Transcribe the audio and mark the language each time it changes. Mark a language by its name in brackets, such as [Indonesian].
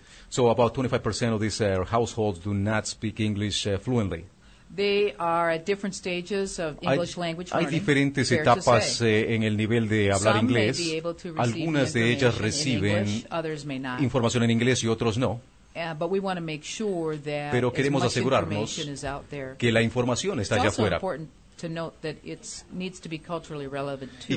[English] So about 25% of these households do not speak English fluently. They are at different stages of English language learning. [Spanish] Hay diferentes etapas en el nivel de hablar inglés. Algunas de ellas reciben información en inglés y otros no. [English] But we want to make sure that [Spanish] pero queremos asegurarnos que la información está allá afuera. [English] To note that it needs to be culturally relevant too.